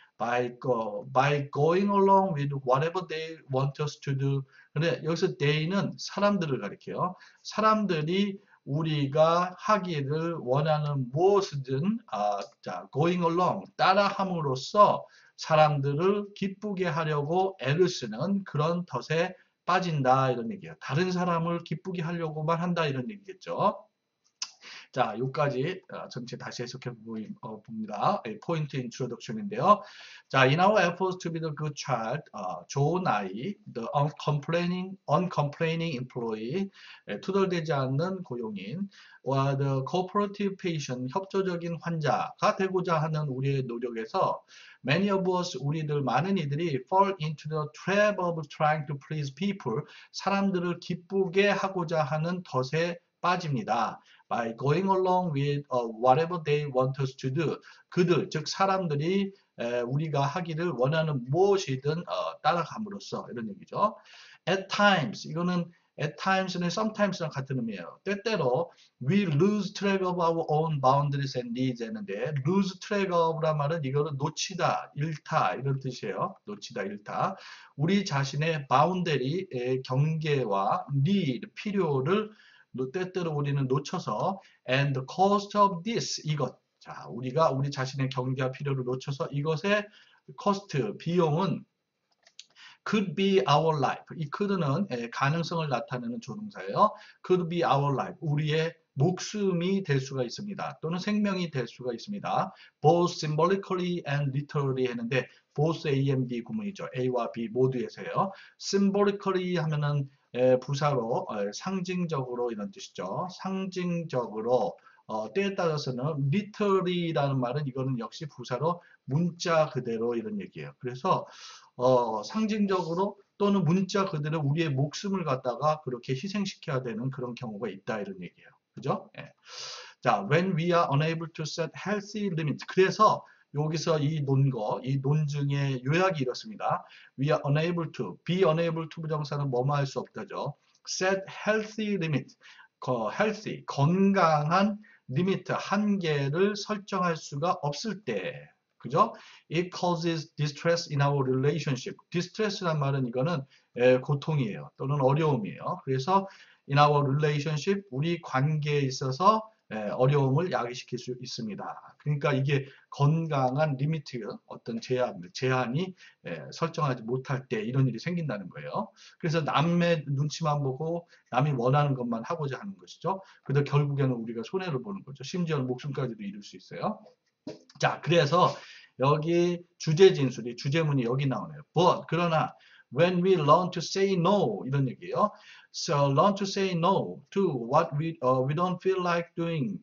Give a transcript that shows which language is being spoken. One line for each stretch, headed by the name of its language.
English: By going along with whatever they want us to do.
Korean: 근데 여기서 they는 사람들을 가리켜요. 사람들이 우리가 하기를 원하는 무엇이든, going along, 따라함으로써 사람들을 기쁘게 하려고 애를 쓰는 그런 덫에 빠진다, 이런 얘기예요. 다른 사람을 기쁘게 하려고만 한다, 이런 얘기겠죠. 자, 여기까지 전체 다시 해석해 봅니다. 포인트 인트로덕션인데요.
English: 자, in our efforts to be the good child,
Korean: 좋은 아이,
English: the uncomplaining employee,
Korean: 투덜대지 않는 고용인,
English: or the cooperative patient,
Korean: 협조적인 환자가 되고자 하는 우리의 노력에서
English: many of us,
Korean: 우리들 많은 이들이
English: fall into the trap of trying to please people,
Korean: 사람들을 기쁘게 하고자 하는 덫에 빠집니다.
English: By going along with whatever they want us to do.
Korean: 그들, 즉 사람들이 우리가 하기를 원하는 무엇이든 따라감으로써 이런 얘기죠.
English: At times,
Korean: 이거는 At times는 sometimes랑 같은 의미예요. 때때로
English: we lose track of our own boundaries and needs
Korean: 했는데 lose track of란 말은 이거는 놓치다, 잃다 이런 뜻이에요. 놓치다, 잃다. 우리 자신의 boundary의 경계와 need, 필요를 때때로 우리는 놓쳐서
English: and the cost of this,
Korean: 이것. 자, 우리가 우리 자신의 경계와 필요를 놓쳐서 이것의 cost, 비용은
English: could be our life.
Korean: 이 could는 가능성을 나타내는 조동사예요.
English: could be our life.
Korean: 우리의 목숨이 될 수가 있습니다. 또는 생명이 될 수가 있습니다.
English: both symbolically and literally 했는데 both A and B
Korean: 구문이죠. A와 B 모두에서요. symbolically 하면은 부사로 상징적으로 이런 뜻이죠. 상징적으로 때에 따라서는 literally라는 말은 이거는 역시 부사로 문자 그대로 이런 얘기예요. 그래서 상징적으로 또는 문자 그대로 우리의 목숨을 갖다가 그렇게 희생시켜야 되는 그런 경우가 있다 이런 얘기예요. 그죠? 예.
English: 자, when we are unable to set healthy limits.
Korean: 그래서 여기서 이 논증의 요약이 이렇습니다.
English: We are unable to, be unable to
Korean: 부정사는 뭐뭐 할수 없다죠.
English: set healthy limits.
Korean: healthy, 건강한 리미트, 한계를 설정할 수가 없을 때. 그죠?
English: It causes distress in our relationship. distress란
Korean: 말은 이거는 고통이에요. 또는 어려움이에요. 그래서
English: in our relationship,
Korean: 우리 관계에 있어서 어려움을 야기시킬 수 있습니다. 그러니까 이게 건강한 리미트, 어떤 제한이 설정하지 못할 때 이런 일이 생긴다는 거예요. 그래서 남의 눈치만 보고 남이 원하는 것만 하고자 하는 것이죠. 그래서 결국에는 우리가 손해를 보는 거죠. 심지어는 목숨까지도 잃을 수 있어요. 자, 그래서 여기 주제 진술이, 주제문이 여기 나오네요.
English: But, 그러나, when we learn to say no,
Korean: 이런 얘기예요.
English: So, learn to say no to what we don't feel like doing.